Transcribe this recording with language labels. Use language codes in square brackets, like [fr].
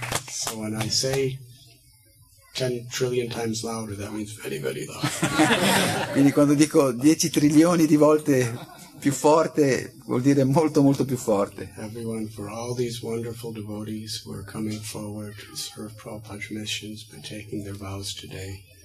[en] So when I say 10 trillion times louder, that means very, very loud. [it] Quindi quando dico 10 trilioni di volte più forte, vuol dire molto, molto più forte. [en] Everyone, for all these wonderful devotees who are coming forward to serve Prabhupada's missions by taking their vows today,